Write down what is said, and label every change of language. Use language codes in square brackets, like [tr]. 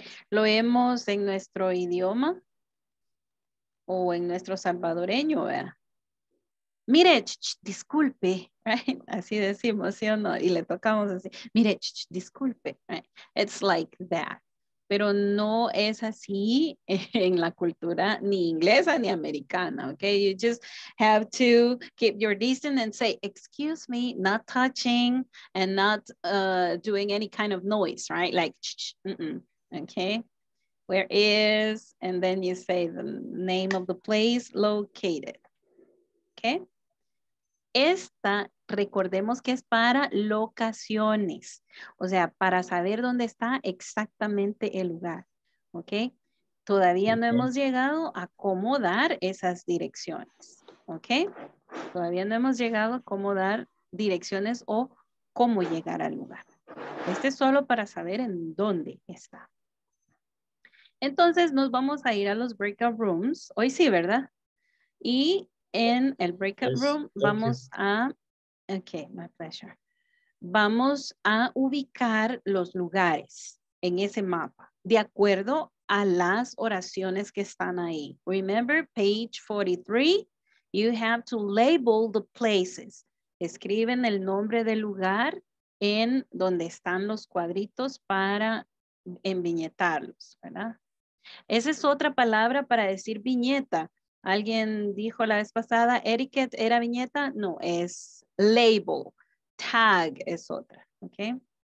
[es] lo hemos en nuestro idioma o en nuestro salvadoreño, ¿verdad? Mire, disculpe, right? Así decimos, ¿sí o no? Y le tocamos así, mire, disculpe, right? [en] It's like that. [es] Pero no es así en la cultura ni inglesa ni americana, okay? [en] You just have to keep your distance and say, excuse me, not touching and not doing any kind of noise, right? Like, okay, where is, and then you say the name of the place located, okay? [es] Esta, recordemos que es para locaciones, o sea, para saber dónde está exactamente el lugar, ¿ok? Todavía no hemos llegado a cómo dar esas direcciones, ¿ok? Todavía no hemos llegado a cómo dar direcciones o cómo llegar al lugar. Este es solo para saber en dónde está. Entonces, nos vamos a ir a los breakout rooms. Hoy sí, ¿verdad? Y en el breakout room vamos a, [en] okay, my pleasure. [es] Vamos a ubicar los lugares en ese mapa de acuerdo a las oraciones que están ahí. [en] Remember, page 43, you have to label the places. [es] Escriben el nombre del lugar en donde están los cuadritos para enviñetarlos, ¿verdad? Esa es otra palabra para decir viñeta. Alguien dijo la vez pasada, etiquette era viñeta. No, es label. Tag es otra. Ok.